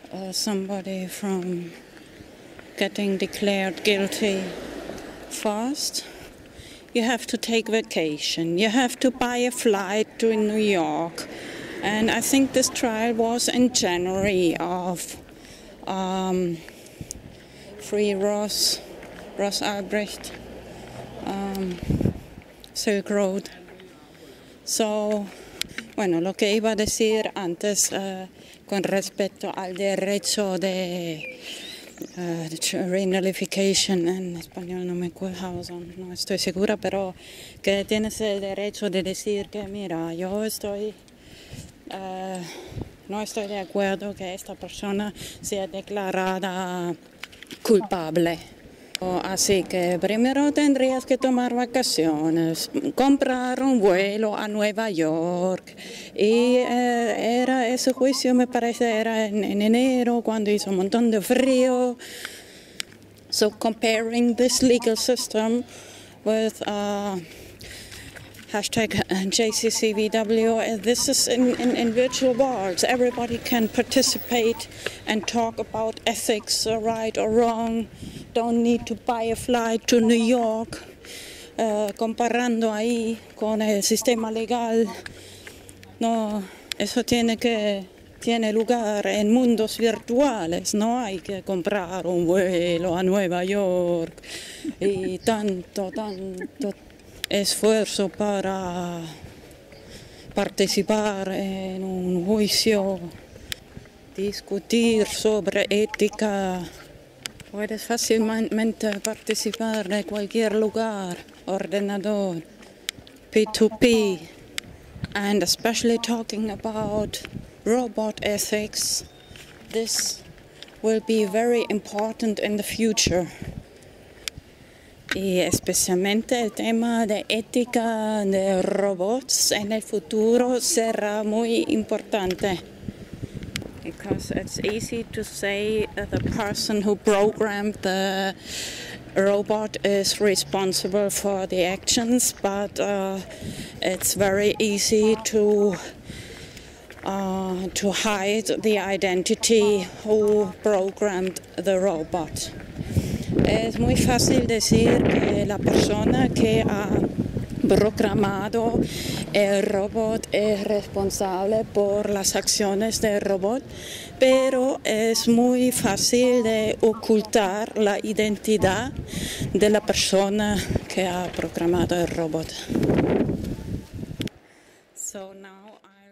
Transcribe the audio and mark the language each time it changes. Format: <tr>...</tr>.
<en>somebody from getting declared guilty fast, you have to take vacation, you have to buy a flight to New York, and I think this trial was in January of Free Ross Albrecht. Silk Road.</en> <es>So, bueno, lo que iba a decir antes con respecto al derecho de renullification, en español no me acuerdo, no estoy segura, pero que tienes el derecho de decir que mira, yo estoy, no estoy de acuerdo que esta persona sea declarada culpable. Así que primero tendrías que tomar vacaciones, comprar un vuelo a Nueva York. Y era ese juicio, me parece, era en enero, cuando hizo un montón de frío.</es> <en>So comparing this legal system with hashtag JCCVW, this is in virtual worlds. Everybody can participate and talk about ethics, right or wrong. Don't need to buy a flight to New York.</en> <es>Comparando ahí con el sistema legal, no, eso tiene lugar en mundos virtuales. No hay que comprar un vuelo a Nueva York y tanto esfuerzo para participar en un juicio, discutir sobre ética. Puedes fácilmente participar de cualquier lugar, ordenador, P2P,</es> <en>and especially talking about robot ethics. This will be very important in the future.</en> <es>Y especialmente el tema de ética de robots en el futuro será muy importante.</es> <en>Because it's easy to say that the person who programmed the robot is responsible for the actions, but it's very easy to hide the identity who programmed the robot.</en> <es>Es muy fácil decir que la persona que ha programado el robot es responsable por las acciones del robot, pero es muy fácil de ocultar la identidad de la persona que ha programado el robot.</es> <en>So now I-</en>